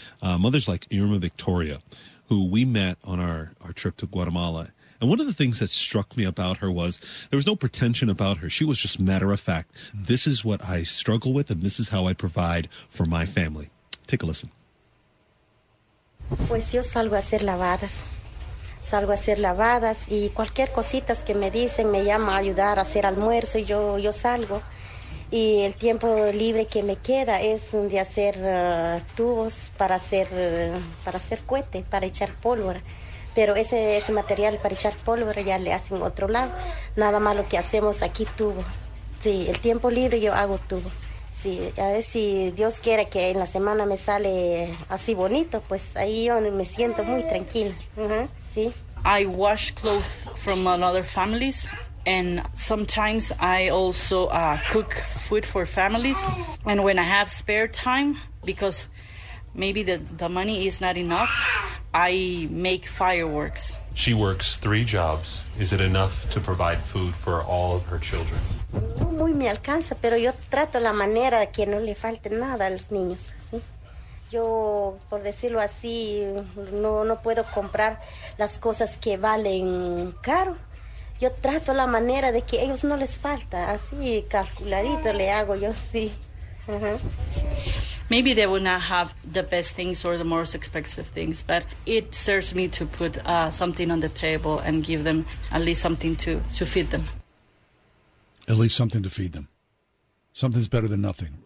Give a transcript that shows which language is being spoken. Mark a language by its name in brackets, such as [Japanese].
[English] Mothers like Irma Victoria, who we met on our trip to Guatemala. And one of the things that struck me about her was there was no pretension about her. She was just matter of fact. This is what I struggle with, and this is how I provide for my family. Take a listen. [Spanish] Pues yo salgo a hacer lavadas. Salgo a hacer lavadas, y cualquier cositas que me dicen, me llama a ayudar a hacer almuerzo, y yo salgo. Y el tiempo libre que me queda es de hacer tubos para hacer cohete, para echar pólvora. Pero ese material para echar pólvora ya le hacen otro lado. Nada más lo que hacemos aquí, tubo. Sí, el tiempo libre yo hago tubo. Sí, a ver si Dios quiere que en la semana me sale así bonito, pues ahí yo me siento muy tranquila. Sí. [English] I wash clothes from other families, and sometimes I also cook food for families. And when I have spare time, because maybe the money is not enough, I make fireworks. She works three jobs. Is it enough to provide food for all of her children? [Spanish] No muy me alcanza, pero yo trato la manera que no le falte nada a los niños. ¿Sí? Yo, por decirlo así, no puedo comprar las cosas que valen caro. Yo trato la manera de que ellos no les falta. Así calculadito le hago yo, sí. [English] Maybe they will not have the best things or the most expensive things, but it serves me to put something on the table and give them at least something to feed them. At least something to feed them. Something's better than nothing.